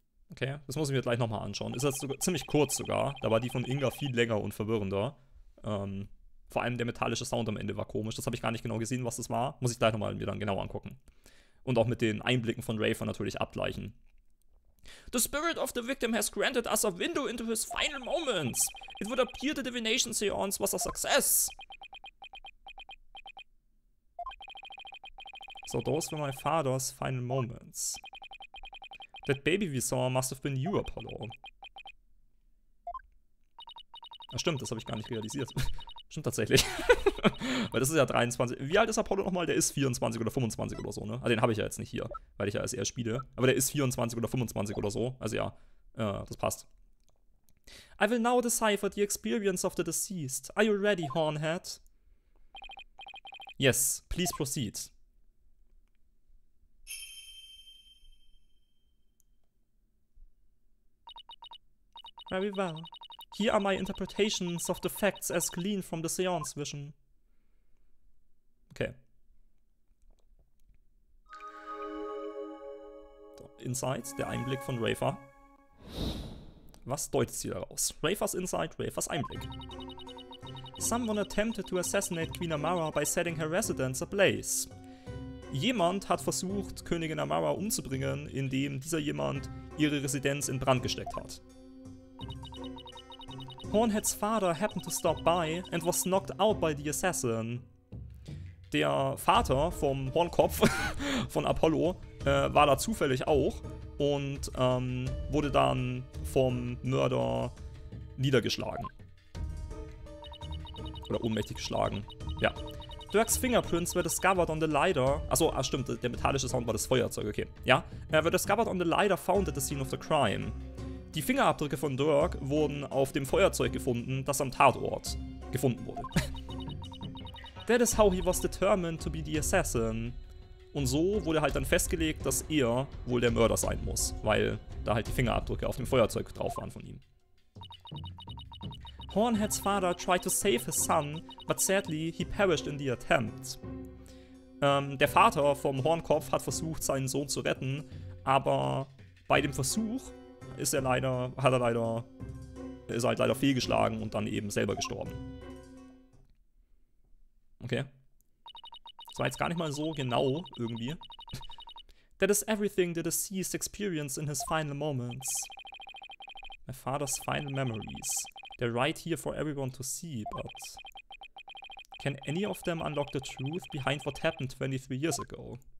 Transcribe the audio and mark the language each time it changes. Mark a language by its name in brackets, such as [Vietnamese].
[German] Okay, das muss ich mir gleich nochmal anschauen. Ist das sogar ziemlich kurz sogar? Da war die von Inga viel länger und verwirrender. Vor allem der metallische Sound am Ende war komisch. Das habe ich gar nicht genau gesehen, was das war. Muss ich gleich nochmal mir dann genau angucken. Und auch mit den Einblicken von Rafer natürlich abgleichen. [English] The spirit of the victim has granted us a window into his final moments. It would appear the divination seance was a success. So those were my father's final moments. That baby we saw must have been you, Apollo. [German] Ja, stimmt, das habe ich gar nicht realisiert. Stimmt tatsächlich. Weil das ist ja 23. Wie alt ist Apollo nochmal? Der ist 24 oder 25 oder so, ne? Ah, den habe ich ja jetzt nicht hier, weil ich ja SR spiele. Aber der ist 24 oder 25 oder so. Also ja, das passt. [English] I will now decipher the experience of the deceased. Are you ready, Hornhead? Yes, please proceed. Very well. Here are my interpretations of the facts as gleaned from the seance vision. Okay. [German] Insight, der Einblick von Rafer. Was deutet sie daraus? Rafers Insight, Rafers Einblick. [English] Someone attempted to assassinate Queen Amara by setting her residence ablaze. [German] Jemand hat versucht, Königin Amara umzubringen, indem dieser jemand ihre Residenz in Brand gesteckt hat. [English] Hornhead's father happened to stop by and was knocked out by the assassin. [German] Der Vater vom Hornkopf von Apollo war da zufällig auch und wurde dann vom Mörder niedergeschlagen. Oder ohnmächtig geschlagen, ja. [English] Dirk's fingerprints were discovered on the lighter. [German] Achso, ach stimmt, der metallische Sound war das Feuerzeug, okay. [English] Ja, were discovered on the lighter found at the scene of the crime. [German] Die Fingerabdrücke von Dirk wurden auf dem Feuerzeug gefunden, das am Tatort gefunden wurde. [English] That is how he was determined to be the assassin. [German] Und so wurde halt dann festgelegt, dass er wohl der Mörder sein muss, weil da halt die Fingerabdrücke auf dem Feuerzeug drauf waren von ihm. [English] Hornhead's father tried to save his son, but sadly he perished in the attempt. [German] Der Vater vom Hornkopf hat versucht, seinen Sohn zu retten, aber bei dem Versuch ist halt leider fehlgeschlagen und dann eben selber gestorben. Okay. Das war jetzt gar nicht mal so genau, irgendwie. [English] That is everything the deceased experienced in his final moments. My father's final memories. They're right here for everyone to see, but... Can any of them unlock the truth behind what happened 23 years ago?